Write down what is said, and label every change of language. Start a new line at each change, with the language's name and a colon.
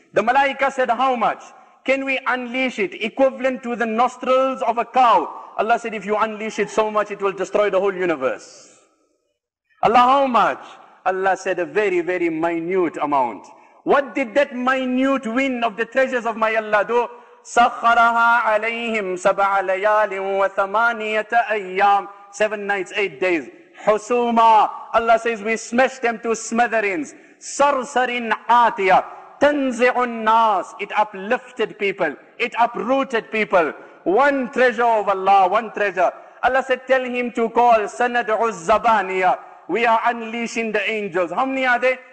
English: The Malaika said, how much? Can we unleash it equivalent to the nostrils of a cow? Allah said, if you unleash it so much, it will destroy the whole universe. Allah, how much? Allah said, a very, very minute amount. What did that minute wind of the treasures of my Allah do?
Arabic: سَخَّرَهَا عَلَيْهِمْ سَبْعَ لَيَالٍ وَثَمَانِيَةَ أَيَّامٍ
English: 7 nights, 8 days. حُسُومًا, Allah says, we smash them to smatherings.
Arabic: صَرْصَرٍ عَاتِيَةً تَنْزِعُ النَّاسِ,
English: it uplifted people, it uprooted people. One treasure of Allah, one treasure. Allah said, tell him to call,
Arabic: سَنَدْعُ الزَّبَانِيَةِ,
English: we are unleashing the angels. How many are they?